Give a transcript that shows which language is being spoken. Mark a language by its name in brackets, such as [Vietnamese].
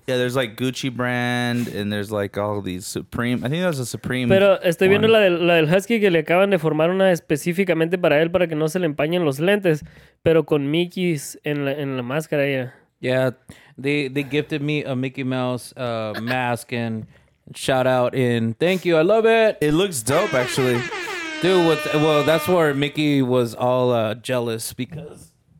[English] Yeah, there's like Gucci brand and there's like all these Supreme. I think that was a Supreme. [Spanish] Pero estoy one. Viendo la del Husky que le acaban de formar una específicamente para él para que no se le empañen los lentes, pero con Mickey's en la máscara. [English] Yeah, they gifted me a Mickey Mouse mask and shout out in thank you. I love it. It looks dope, actually. Dude, that's where Mickey was all jealous because.